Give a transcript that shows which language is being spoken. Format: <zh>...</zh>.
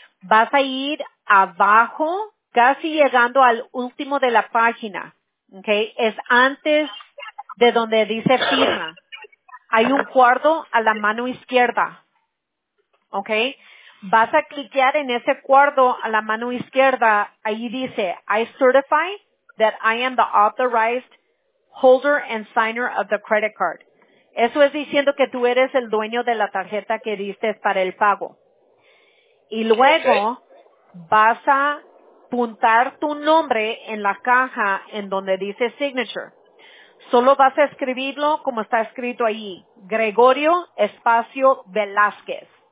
<es>Vas a ir abajo, casi llegando al último de la página. Okay. Es antes de donde dice firma. Hay un cuarto a la mano izquierda. Okay. Vas a cliquear en ese cuarto a la mano izquierda. Ahí dice,</es> <en>I certify that I am the authorized holder and signer of the credit card.</en> <es>Eso es diciendo que tú eres el dueño de la tarjeta que diste para el pago. Y luego vas a apuntar tu nombre en la caja en donde dice signature. Solo vas a escribirlo como está escrito ahí, Gregorio espacio Velázquez.</es>